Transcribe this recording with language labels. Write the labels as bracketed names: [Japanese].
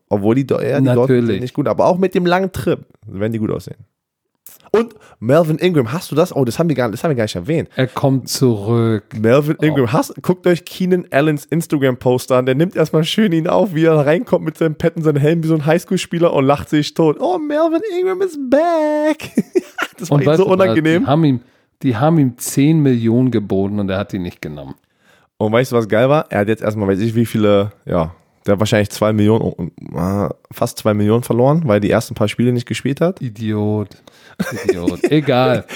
[German] Obwohl die Dolphins sind nicht gut, aber auch mit dem langen Trip werden die gut aussehen. Und Melvin Ingram, hast du das? Oh, das haben wir gar nicht erwähnt. Er kommt zurück. Melvin Ingram, guckt euch Keenan Allens Instagram-Poster an. Der nimmt erstmal schön ihn auf, wie er reinkommt mit seinem Pad und seinem Helm wie so ein Highschool-Spieler und lacht sich tot. [English] Oh, Melvin Ingram is back. [German] Das war ihm so unangenehm. Die haben ihm 10 Millionen geboten und er hat die nicht genommen. Und weißt du, was geil war? Er hat jetzt erstmal, weiß ich wie viele, ja, der hat wahrscheinlich 2 Millionen, fast 2 Millionen verloren, weil die ersten paar Spiele nicht gespielt hat. Idiot. Egal.